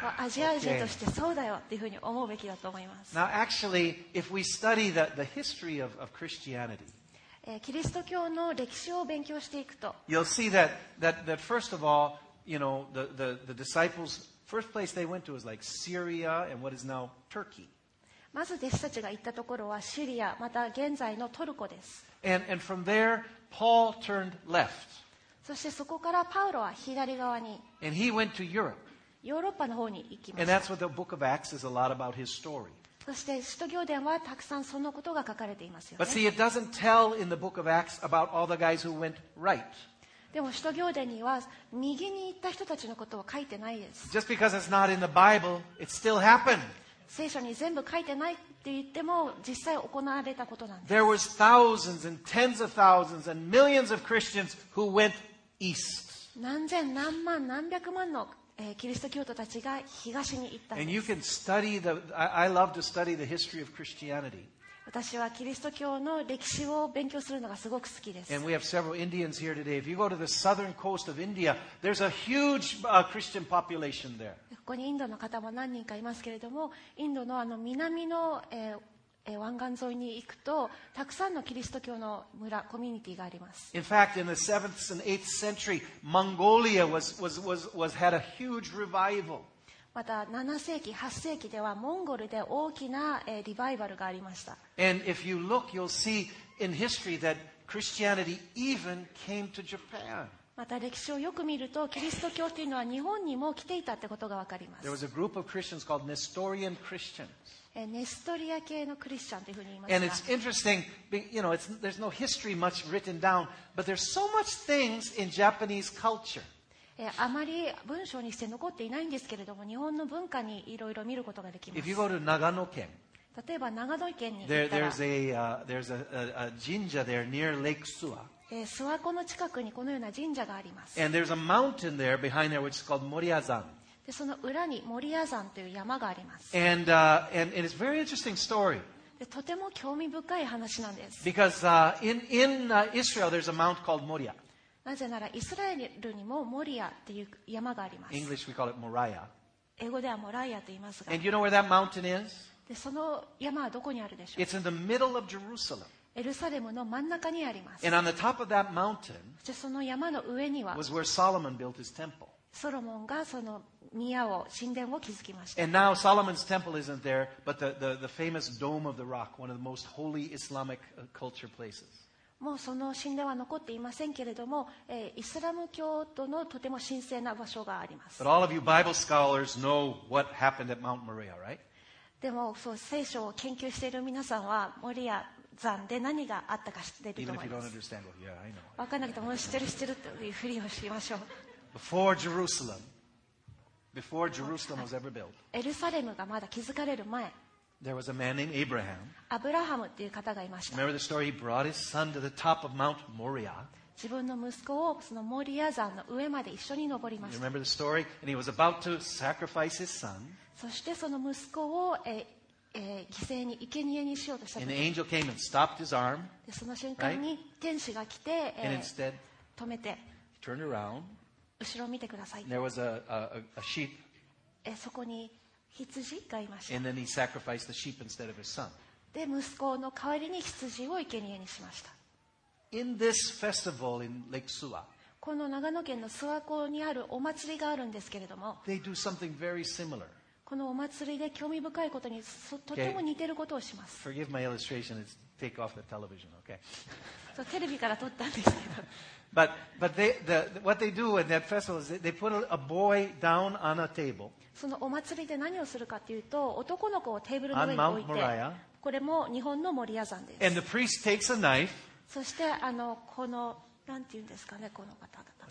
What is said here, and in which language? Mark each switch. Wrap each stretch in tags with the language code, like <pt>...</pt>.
<ja>アジア人としてそうだよっていうふうに思うべきだと思います。</ja> <en>Now, actually, if we study the history of Christianity,</en> <ja>キリスト教の歴史を勉強していくと、</ja> <en>You'll see that first of all, you know, the disciples, first place they went to was like Syria and what is now Turkey.</en> <ja>まず弟子たちが行ったところはシリア、また現在のトルコです。</ja> <en>And from there, Paul turned left.</en> <ja>そしてそこからパウロは左側に。</ja> <en>And he went to Europe.</en> <ja>ヨーロッパの方に行きました。</ja> <en>And that's what the book of Acts is a lot about his story.</en> <ja>そして使徒行伝はたくさんそのことが書かれていますよね。</ja> <en>But see, it doesn't tell in the book of Acts about all the guys who went right.</en> <ja>でも使徒行伝には右に行った人たちのことを書いてないです。</ja> <en>Just because it's not in the Bible, it still happened.</en> <ja>聖書に全部書いてないって言っても実際行われたことなんです。</ja> <en>There was thousands and tens of thousands and millions of Christians who went east.</en> <ja>何千何万何百万のキリスト教徒たちが東に行ったんです。</ja> <en>And you can study I love to study the history of Christianity.</en> <ja>私はキリスト教の歴史を勉強するのがすごく好きです。</ja> <en>And we have several Indians here today. If you go to the southern coast of India, there's a huge Christian population there.</en> <ja>ここにインドの方も何人かいますけれども、インドのあの南の湾岸沿いに行くと、たくさんのキリスト教の村、コミュニティがあります。</ja> <en>In fact, in the 7th and 8th century, Mongolia was had a huge revival.</en> <ja>また7世紀、8世紀ではモンゴルで大きなリバイバルがありました。</ja> <en>And if you look, you'll see in history that Christianity even came to Japan.</en> <ja>また歴史をよく見ると、キリスト教というのは日本にも来ていたってことがわかります。</ja> <en>There was a group of Christians called Nestorian Christians.</en> <ja>ネストリア系のクリスチャンというふうに言います</ja> <en>が、and it's interesting, you know, there's no history much written down, but there's so much things in Japanese culture.</en> <ja>あまり文章にして残っていないんですけれども、日本の文化にいろいろ見ることができます。</ja> <en>If you go to 長野県、</en> <ja>例えば長野県に行ったら、</ja> <en>there's a jinja there near Lake Suwa.</en> <ja>諏訪湖の近くにこのような神社があります。</ja> <en>And there's a mountain there behind there which is called Moriya-san.</en> <ja>でその裏に守谷山という山があります。</ja> <en>And, and it's a very interesting story.</en> <ja>でとても興味深い話なんです。</ja> <en>Because, in Israel, there's a mount called Moriah.</en> <ja>なぜならイスラエルにもモリアという山があります。</ja> <en>English, we call it Moriah.</en> <ja>英語ではモライアと言いますが。</ja> <en>And you know where that mountain is?</en> <ja>でその山はどこにあるでしょう?</ja> <en>It's in the middle of Jerusalem.</en> <ja>エルサレムの真ん中にあります。</ja> <en>And on the top of that mountain,</en> <ja>その山の上には</ja> <en>was where Solomon built his temple.</en> <ja>ソロモンがその宮を神殿を築きました。</ja> <en>And now Solomon's temple isn't there, but the famous Dome of the Rock, one of the most holy Islamic culture places.</en> <ja>もうその神殿は残っていませんけれども、イスラム教徒のとても神聖な場所があります。</ja> <en>But all of you Bible scholars know what happened at Mount Moriah, right?</en> <ja>でもそう聖書を研究している皆さんはモリア山で何があったか知っていると思います。</ja> <en>Even if you don't understand, well, yeah, I know.</en> <ja>分からなくても知ってる知ってるというふりをしましょう。</ja> <en>Before Jerusalem was ever built,</en> <ja>エルサレムがまだ築かれる前、</ja> <en>there was a man named Abraham.</en> <ja>アブラハムっていう方がいました。</ja> <en>Remember the story? He brought his son to the top of Mount Moriah.</en> <ja>自分の息子をそのモリア山の上まで一緒に登りました。</ja> <en>You remember the story? And he was about to sacrifice his son.</en> <ja>そしてその息子を犠牲に生贄にしようとした時、</ja> <en>and the angel came and stopped his arm.</en> <ja>でその瞬間に天使が来て、</ja> <en>and instead,</en> <ja>止めて、</ja> <en>turned around.</en> <ja>後ろを見てください。</ja> <en>There was a sheep.</en> <ja>そこに羊がいました。</ja> <en>And then he sacrificed the sheep instead of his son.</en> <ja>で、息子の代わりに羊を生贄にしました。</ja> <en>In this festival in Lake Suwa,</en> <ja>この長野県の諏訪湖にあるお祭りがあるんですけれども、</ja> <en>they do something very similar.</en> <ja>このお祭りで興味深いことにとても似てることをします。</ja> <en>Okay. Forgive my illustration. It's take off the television, okay?</en> <ja>そう、テレビから撮ったんですけど。</ja> <en>But they, what they do at that festival is they put a boy down on a table.</en> <ja>そのお祭りで何をするかというと、男の子をテーブルの上に置いて、</ja> <en>on Mount Moriah,</en> <ja>これも日本のモリア山です。</ja> <en>And the priest takes a knife.</en> <ja>そしてあのこのなんていうんですかね、この方だった。</ja>